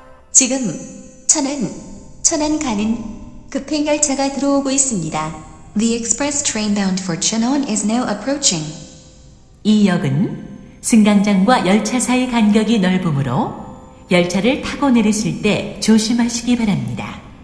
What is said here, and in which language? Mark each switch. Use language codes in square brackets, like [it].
[ko] 지금 천안 가는 급행 열차가 들어오고 있습니다. [en] The express train bound for Chennai is now approaching. [ko] 이 역은 승강장과 열차 사이 간격이 넓으므로 열차를 타고 내리실 때 조심하시기 바랍니다.